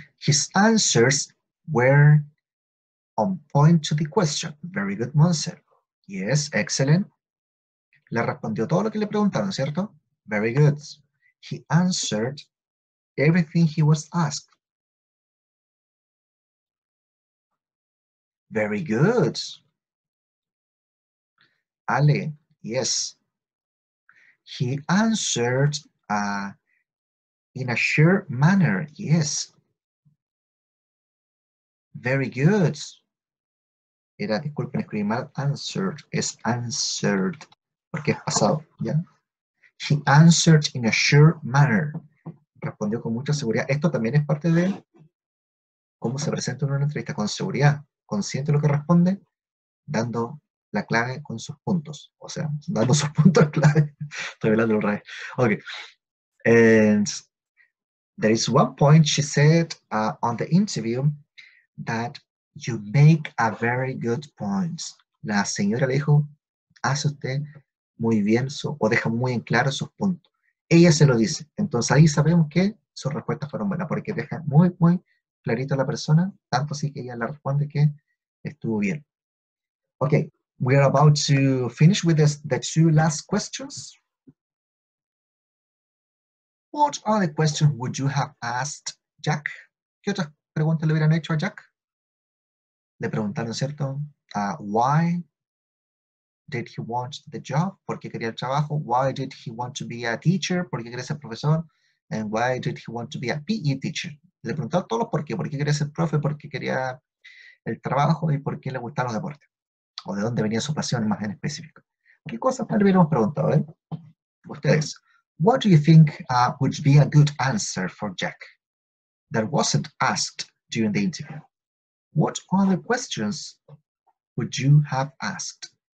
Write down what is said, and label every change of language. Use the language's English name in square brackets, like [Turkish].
[English] His answers were on point to the question. Very good, Montserrat. Yes, excellent. [Spanish] Le respondió todo lo que le preguntaron, ¿cierto? [English] Very good. He answered everything he was asked. Very good. Ale, yes. He answered in a sure manner, yes. Very good. [Spanish] Era, disculpen, escribí mal. Answered es answered porque es pasado, ¿ya? He answered in a sure manner. Respondió con mucha seguridad. Esto también es parte de cómo se presenta en una entrevista, con seguridad. Consciente de lo que responde, dando la clave con sus puntos. O sea, dando sus puntos clave. Estoy hablando al revés. Ok. [English] And there is one point she said on the interview that you make a very good point. [Spanish] La señora le dijo, hace usted muy bien o deja muy en claro sus puntos. Ella se lo dice. Entonces ahí sabemos que sus respuestas fueron buenas, porque deja muy, muy clarito a la persona, tanto así que ella le responde que estuvo bien. [English] Ok, we are about to finish with the two last questions. What other questions would you have asked Jack? [Spanish] ¿Qué otras preguntas le hubieran hecho a Jack? Le preguntaron, ¿cierto? [English] Why did he want the job? [Spanish] ¿Por qué quería el trabajo? [English] Why did he want to be a teacher? [Spanish] ¿Por qué quería ser profesor? [English] And why did he want to be a PE teacher? [Spanish] Le preguntaron todos los por qué quería ser profe, por qué quería el trabajo y por qué le gustaban los deportes. O de dónde venía su pasión más en específico. ¿Qué cosas le hubiéramos preguntado, eh? Ustedes. [English] What do you think would be a good answer for Jack that wasn't asked during the interview? What other questions would you have asked?